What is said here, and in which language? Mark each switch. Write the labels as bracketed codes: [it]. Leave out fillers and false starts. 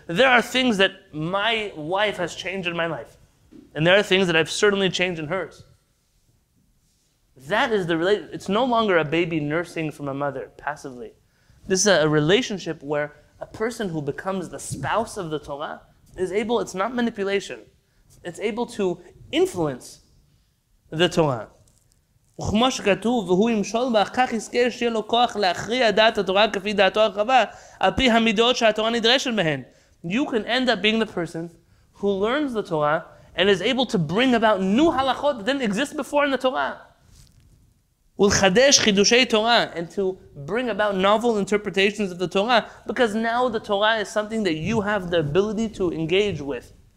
[en] There are things that my wife has changed in my life, and there are things that I've certainly changed in hers. That is the relationship. It's no longer a baby nursing from a mother passively. This is a relationship where a person who becomes the spouse of the Torah is able, it's not manipulation, it's able to influence the Torah. [he] וכמו שכתוב, והוא ימשול בה, כך יזכה שיהיה לו כוח להכריע דעת התורה כפי דעתו הרחבה, על פי המידות שהתורה נדרשת בהן. [en] You can end up being the person who learns the Torah and is able to bring about new halachot that didn't exist before in the Torah. [he] ולחדש חידושי תורה, [en] and to bring about novel interpretations of the Torah, because now the Torah is something that you have the ability to engage with.